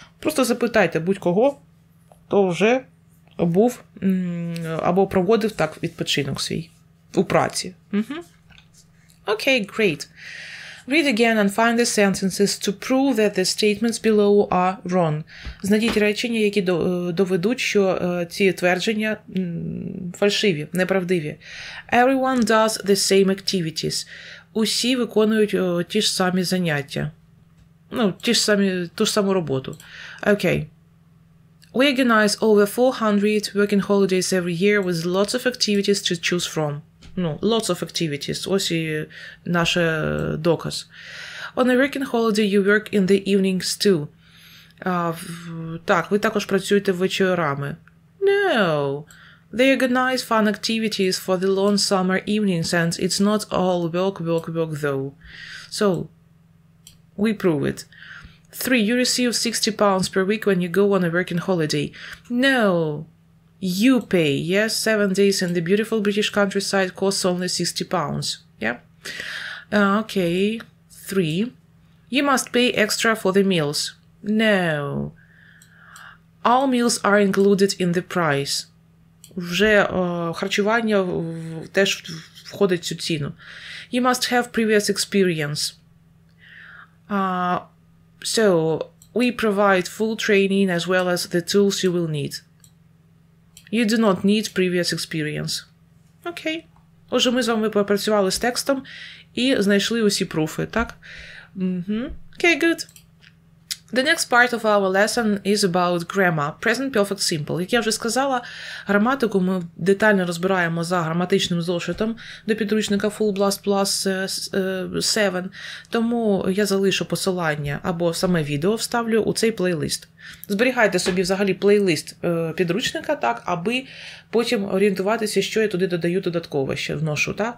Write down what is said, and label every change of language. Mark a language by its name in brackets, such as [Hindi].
[Ukrainian] Просто запитайте будь-кого, хто вже був або проводив так відпочинок свій у праці. [English] Okay, great. Read again and find the sentences to prove that the statements below are wrong. [Ukrainian] Знайдіть речення, які доведуть, що ці твердження фальшиві, неправдиві. [English] Everyone does the same activities. [Ukrainian] Усі виконують ті ж самі заняття. Ну, ті ж самі, ту ж саму роботу. [English] Okay. We organize over 400 working holidays every year with lots of activities to choose from. [Ukrainian] Ну, [English] lots of activities. [Ukrainian] Ось і наш доказ. [English] On a working holiday you work in the evenings too. [Ukrainian] Так, ви також працюєте вечорами. [English] No. They organize fun activities for the long summer evenings and it's not all work, work, work, though. So, we prove it. 3. You receive 60 pounds per week when you go on a working holiday. No. You pay, yes, 7 days in the beautiful British countryside costs only 60 pounds, yeah? Okay, 3. You must pay extra for the meals. No. All meals are included in the price. [Ukrainian] Вже харчування теж входить в цю ціну. [English] You must have previous experience. So, we provide full training as well as the tools you will need. You do not need previous experience. Окей. Okay. [Ukrainian] Отже, ми з вами попрацювали з текстом і знайшли усі пруфи, так? Окей, [English] good. The next part of our lesson is about grammar, present perfect simple. [Ukrainian] Як я вже сказала, граматику ми детально розбираємо за граматичним зошитом до підручника Full Blast Plus 7. Тому я залишу посилання або саме відео вставлю у цей плейлист. Зберігайте собі взагалі плейлист підручника, так, аби потім орієнтуватися, що я туди додаю додатково, що вношу. Так?